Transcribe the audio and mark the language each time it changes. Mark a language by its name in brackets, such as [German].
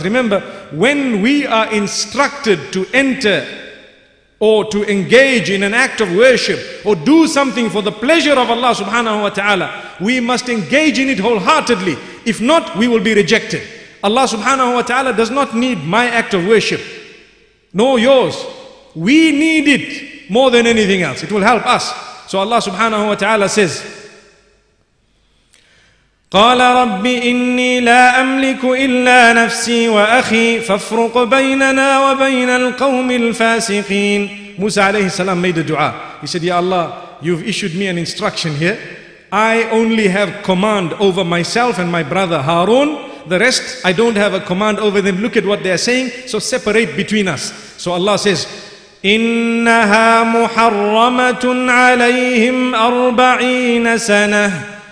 [English] Remember, when we are instructed to enter or to engage in an act of worship or do something for the pleasure of Allah subhanahu wa ta'ala, we must engage in it wholeheartedly. If not, we will be rejected. Allah subhanahu wa ta'ala does not need my act of worship, nor yours. We need it more than anything else. It will help us. So Allah subhanahu wa ta'ala says, [Arabic] قال ربي إني لا أملك إلا نفسي وأخي فافرق بيننا وبين القوم الفاسقين. [English] Musa alayhi salam made a dua. He said, Ya Allah, you've issued me an instruction here. I only have command over myself and my brother Harun. The rest, I don't have a command over them. Look at what they are saying. So separate between us. So Allah says, [Arabic] إِنَّهَا مُحَرَّمَةٌ عَلَيْهِمْ 40 سَنَةً.